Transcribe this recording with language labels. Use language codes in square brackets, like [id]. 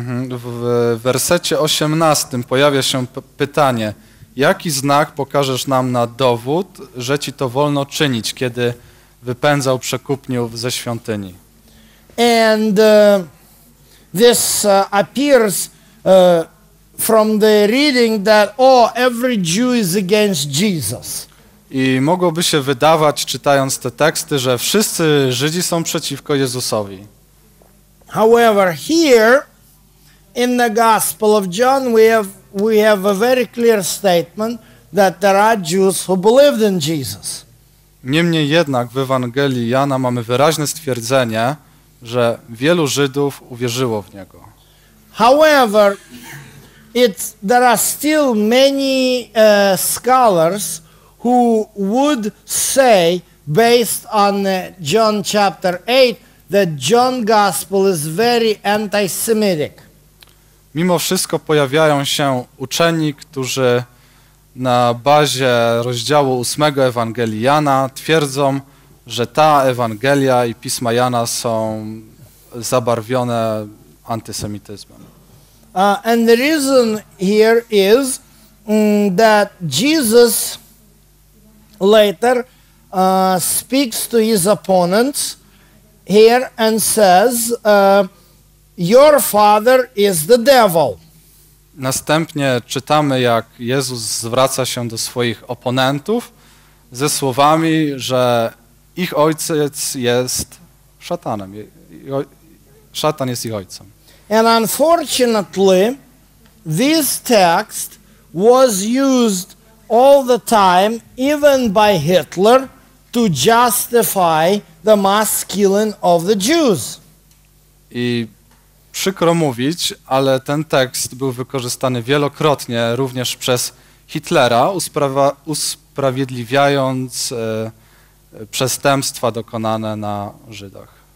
[pl] W wersecie 18 pojawia się pytanie, jaki znak pokażesz nam na dowód, że ci to wolno czynić, kiedy wypędzał przekupniów ze świątyni? [en] And this appears from the reading that, oh, every Jew is against Jesus. [pl] I mogłoby się wydawać, czytając te teksty, że wszyscy Żydzi są przeciwko Jezusowi. [en] However, here in the Gospel of John we have a very clear statement that there are Jews who believed in Jesus. [pl] Niemniej jednak w Ewangelii Jana mamy wyraźne stwierdzenie, że wielu Żydów uwierzyło w Niego. [en] However, there are still many scholars who would say, based on John chapter 8, that John Gospel is very anti-Semitic. [pl] Mimo wszystko pojawiają się uczeni, którzy na bazie rozdziału 8 Ewangelii Jana twierdzą, że ta Ewangelia i Pisma Jana są zabarwione antysemityzmem. [en] And the reason here is that Jesus later speaks to his opponents here and says, your father is the devil. [pl] Następnie czytamy, jak Jezus zwraca się do swoich oponentów ze słowami, że ich ojciec jest szatanem. Szatan jest ich ojcem. [en] And unfortunately, this text was used all the time, even by Hitler, to justify the mass killing of the Jews. [pl] I przykro mówić, ale ten tekst był wykorzystany wielokrotnie również przez Hitlera, usprawiedliwiając przestępstwa dokonane na Żydach.